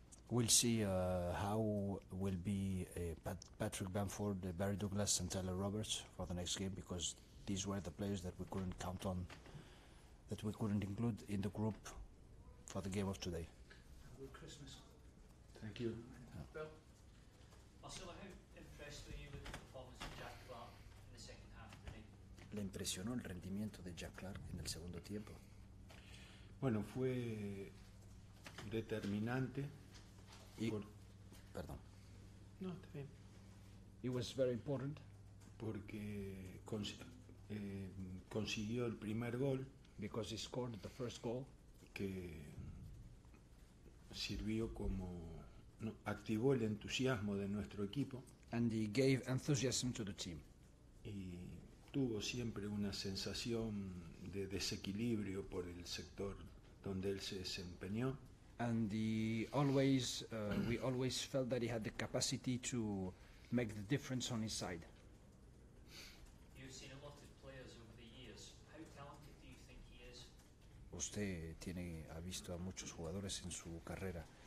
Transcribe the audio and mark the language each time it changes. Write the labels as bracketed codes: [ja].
[en] We'll see how will be Patrick Bamford, Barry Douglas and Taylor Roberts for the next game, because these were the players that we couldn't count on, that we couldn't include in the group for the game of today. Good Christmas. Thank you. Marcelo, how impressed were you with the performance of Jack Clark in the second half of the game? [es] Le impresionó el rendimiento de Jack Clark en el segundo tiempo. Bueno, fue determinante. No, está bien. [en] It was very important. [es] Porque consiguió el primer gol. [en] Because he scored the first goal. [es] Que sirvió como activó el entusiasmo de nuestro equipo. [en] And he gave enthusiasm to the team. [es] Y tuvo siempre una sensación de desequilibrio por el sector donde él se desempeñó. [en] And he always, we always felt that he had the capacity to make the difference on his side. You've seen a lot of players over the years. How talented do you think he is? [es] Usted tiene, ha visto a muchos jugadores en su carrera.